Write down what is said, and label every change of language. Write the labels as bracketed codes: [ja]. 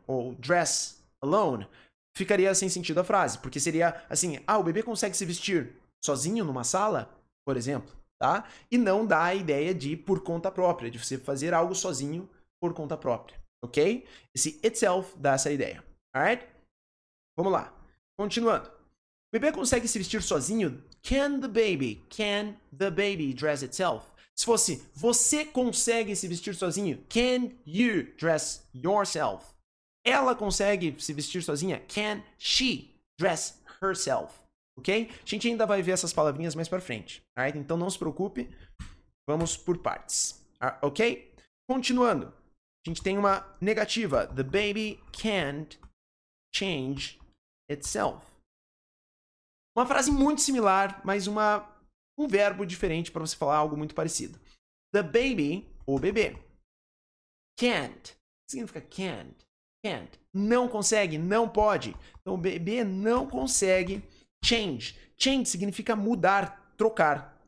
[pt] Ou dress alone? Ficaria sem sentido a frase, porque seria assim, ah, o bebê consegue se vestir sozinho numa sala, por exemplo, tá? E não dá a ideia de por conta própria, de você fazer algo sozinho por conta própria, ok? Esse itself dá essa ideia, alright? Vamos lá, continuando. O bebê consegue se vestir sozinho? [en] Can the baby dress itself? [pt] Se fosse, você consegue se vestir sozinho? [en] Can you dress yourself? [pt] Ela consegue se vestir sozinha? [en] Can she dress herself? [pt] Ok? A gente ainda vai ver essas palavrinhas mais pra frente. Alright? Então não se preocupe. Vamos por partes. Ok? Continuando. A gente tem uma negativa. [en] The baby can't change itself. [pt] Uma frase muito similar, mas um verbo diferente para você falar algo muito parecido. The baby, o bebê. Can't. O que significa can't? Can't. Não consegue, não pode. Então, o bebê não consegue change. Change significa mudar, trocar.